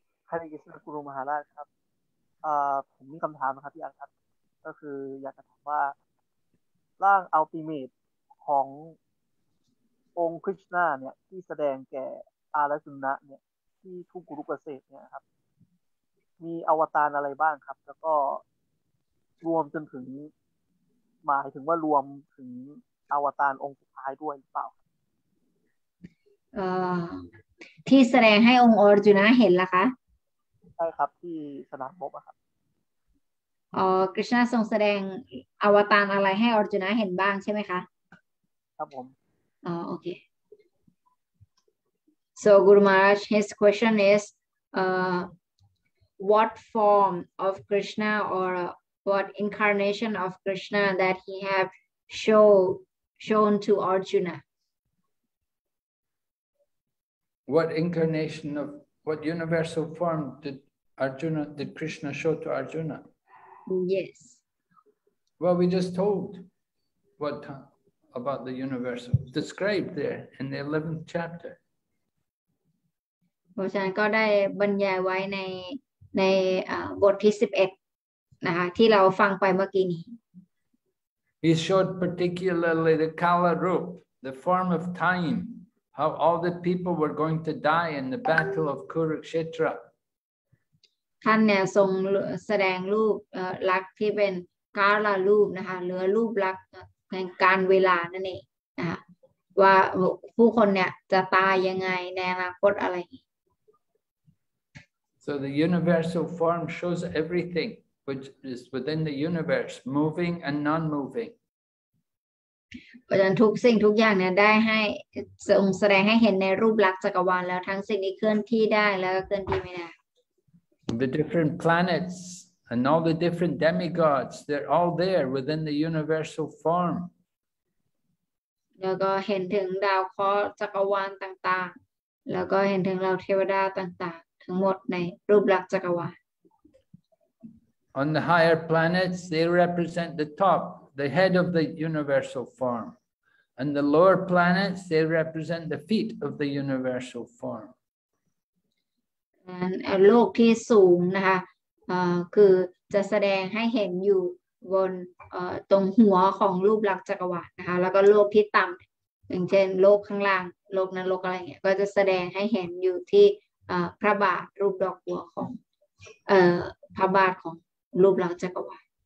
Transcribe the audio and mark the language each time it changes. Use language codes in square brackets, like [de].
[th] ฮาริกิสุกุรุมหาราชครับผมมีคำถามครับพี่อาร์ตครับก็คืออยากจะถามว่าร่างอัลติเมทขององค์คริชนาเนี่ยที่แสดงแก่อารัสุนะเนี่ยที่ทุ่งกุรุเกษตรเนี่ยครับมีอวตารอะไรบ้างครับแล้วก็รวมจนถึงหมายถึงว่ารวมถึงอวตารองค์สุดท้ายด้วยหรือเปล่า ที่แสดงให้องค์อรจุนะเห็นล่ะคะ ใช่ครับที่สนามบบอะครับ คริชนาทรงแสดงอวตารอะไรให้อรจุนะเห็นบ้างใช่ไหมคะ ครับผม [en] โอเค So Guru Maharaj, his question is, what form of Krishna or what incarnation of Krishna that he have shown to Arjuna? What incarnation of what universal form did Krishna show to Arjuna? Yes. Well, we just told what about the universal described there in the 11th chapter. [th] เพราะฉะนั้นก็ได้บรรยายไว้ในบทที่11นะคะที่เราฟังไปเมื่อกี้นี้ [en] He showed particularly the Kala Roop, the form of time, how all the people were going to die in the battle of Kurukshetra. [th] ท่านเนี่ยทรงแสดงรูปลักษณ์ที่เป็นกาลรูปนะคะเหลือรูปลักษณ์แห่งการเวลานั่นเองนะคะว่าผู้คนเนี่ยจะตายยังไงในอนาคตอะไร [en] So the universal form shows everything which is within the universe moving and non-moving [th] เพราะฉะนั้นทุกสิ่งทุกอย่างเนี่ยได้ให้ทรงแสดงให้เห็นในรูปลักษณ์จักรวาลแล้วทั้งสิ่งที่เคลื่อนที่ได้แล้วก็เคลื่อนที่ไม่ได้ [en] The different planets and all the different demigods they're all there within the universal form [th] แล้วก็เห็นถึงดาวเคราะห์จักรวาลต่างๆแล้วก็เห็นถึงเหล่าเทวดาต่างๆทั้งหมดในรูปลักษณ์จักรวาล [en] On the higher planets they represent the topthe head of the universal form and the lower planets they represent the feet of the universal form [th] and โลกที่สูงนะคะคือจะแสดงให้เห็นอยู่บนตรงหัวของรูปลักษณ์จักรวาลนะคะแล้วก็โลกที่ต่ําอย่างเช่นโลกข้างล่างโลกนรกอะไรเงี้ยก็จะแสดงให้เห็นอยู่ที่พระบาทรูปดอกหัวของพระบาทของรูปลักษณ์จักรวาล